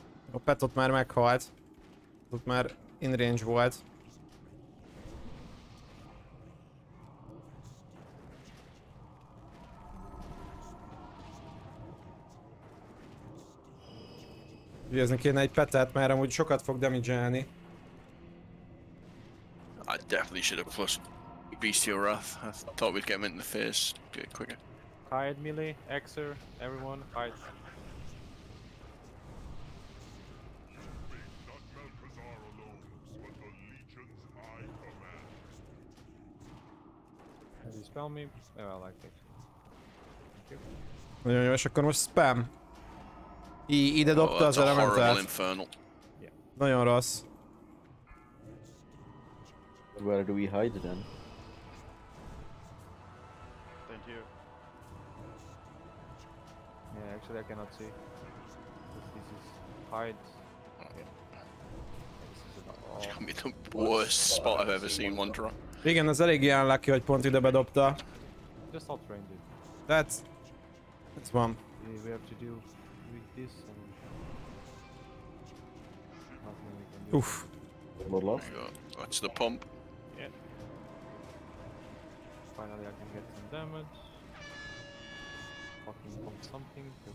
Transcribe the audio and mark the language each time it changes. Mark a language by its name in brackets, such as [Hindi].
[Hungarian] A pet ott már meghalt. Ott már in range volt. Ugyezni kéne egy petet, mert amúgy sokat fog damage-elni. [English] I definitely should have plus Beastial Wrath. I thought we'd get him in the face. Get it quicker. Hide melee, Xer, everyone, hide. Spell me. Oh, I like it. [Hungarian] Nagyon jó, és akkor most spam. Ide dobta az elementet. Nagyon rossz. [English] Where do we hide then? Thank you. Yeah, actually I cannot see. This is hide. Okay. This is gonna be the worst spot I've ever seen one drop. [Hungarian] Igen, az eléggé unlucky, hogy pont ide bedobta. [English] Just not trained it. That's one. Yeah, we have to deal with this and... Oof. More love. That's the pump. Yeah. Finally I can get some damage. Fucking pump something, cause...